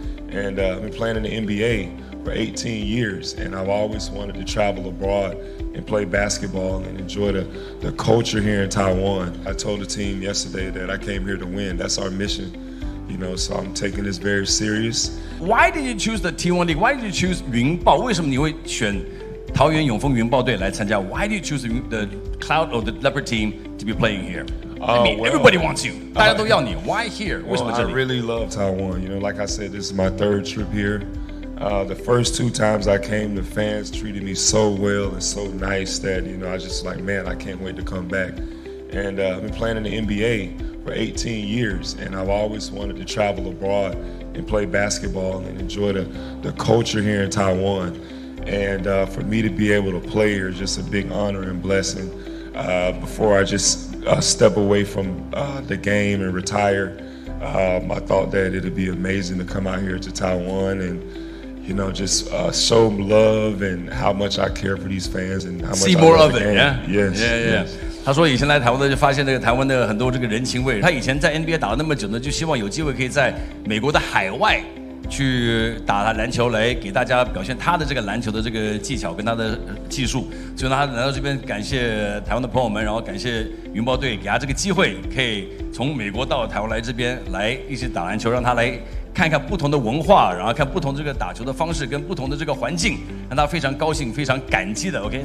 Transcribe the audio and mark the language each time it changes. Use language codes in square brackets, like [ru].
[en] And I've been playing in the NBA for 18 years, and I've always wanted to travel abroad and play basketball and enjoy the culture here in Taiwan. I told the team yesterday that I came here to win. That's our mission. You know, so I'm taking this very serious. Why did you choose the T1 league? Why did you choose 云豹? [zh] 为什么你会选 桃园永丰云豹队来参加? [en] Why did you choose the Cloud or the Leopard team to be playing here? Everybody wants you. [zh] 大家都要你. [en] Why here? Well, I really love Taiwan. You know, like I said, this is my third trip here. The first two times I came, the fans treated me so well and so nice that, you know, I was just like, man, I can't wait to come back. And I've been playing in the NBA for 18 years, and I've always wanted to travel abroad and play basketball and enjoy the culture here in Taiwan. And for me to be able to play here is just a big honor and blessing. Before I just step away from the game and retire, I thought that it would be amazing to come out here to Taiwan and, you know, just show love and how much I care for these fans and how much see I more love the it, game. Yeah? Yes, yeah, yeah. Yes. [zh] 他说以前来台湾呢，就发现这个台湾的很多这个人情味。他以前在 NBA 打了那么久呢，就希望有机会可以在美国的海外去打篮球，来给大家表现他的这个篮球的这个技巧跟他的技术。所以呢，他来到这边感谢台湾的朋友们，然后感谢云豹队给他这个机会，可以从美国到台湾来这边来一起打篮球，让他来看看不同的文化，然后看不同这个打球的方式跟不同的这个环境，让他非常高兴，非常感激的。OK，